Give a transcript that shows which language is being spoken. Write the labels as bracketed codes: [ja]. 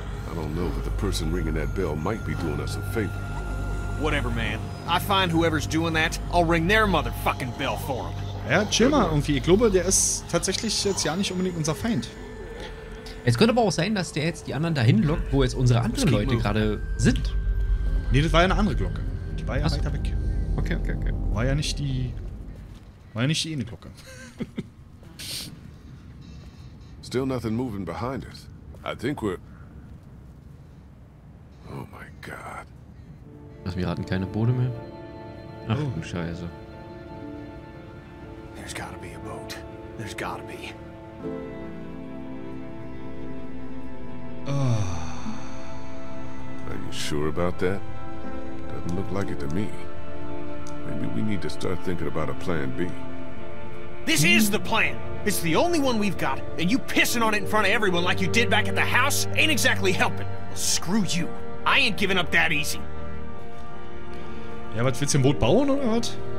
[en] I don't know, but the person ringing that bell might be doing us a favor. Whatever, man. I find whoever's doing that, I'll ring their motherfucking bell for him. [de] Ja, chill mal irgendwie. Ich glaube, der ist tatsächlich jetzt ja nicht unbedingt unser Feind. Es könnte aber auch sein, dass der jetzt die anderen dahin lockt, wo jetzt unsere anderen Leute gerade sind. Nee, das war ja eine andere Glocke. Die war ja weiter weg. Okay, okay, okay. War ja nicht die eine Glocke. [en] Still nothing moving behind us. I think we're... Oh my god. [de] Lass mich raten, keine Boote mehr. Ach du Scheiße. [en] There's gotta be a boat. There's gotta be. Are you sure about that? Doesn't look like it to me. Maybe we need to start thinking about a plan B. This is the plan! It's the only one we've got, and you pissing on it in front of everyone like you did back at the house ain't exactly helping. Well, screw you. I ain't giving up that easy. [de] Ja, was willst du, ein Boot bauen oder was?